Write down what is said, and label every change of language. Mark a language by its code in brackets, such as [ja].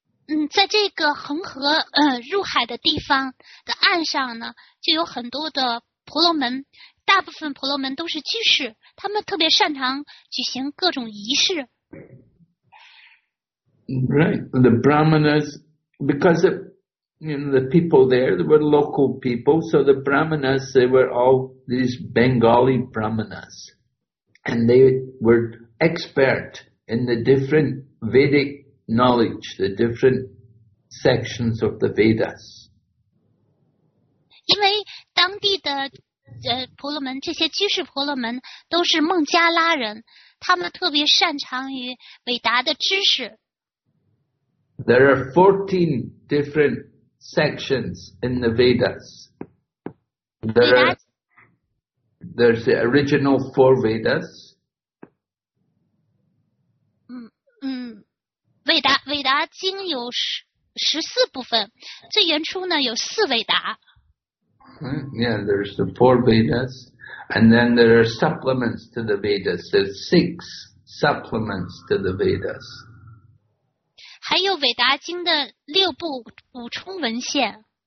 [zh] 嗯，在这个恒河入海的地方的岸上呢，就有很多的婆罗门，大部分婆罗门都是居士，他们特别擅长举行各种仪式。 [en] Right, the brahmanas, because of, you know, the people there, they were local people, so the brahmanas, they were all these Bengali brahmanas, and they were expert in the different Vedic knowledge, the different sections of the Vedas. [zh] 因为当地的婆罗门，这些居士婆罗门都是孟加拉人，他们特别擅长于伟达的知识。 [en] There are 14 different sections in the Vedas. There's the original four Vedas. [zh] 韦达经有十四部分，最原初呢有四韦达。 [en] Yeah, there's the four Vedas, and then there are supplements to the Vedas. There's six supplements to the Vedas. [zh] 还有韦达经的六部补充文献。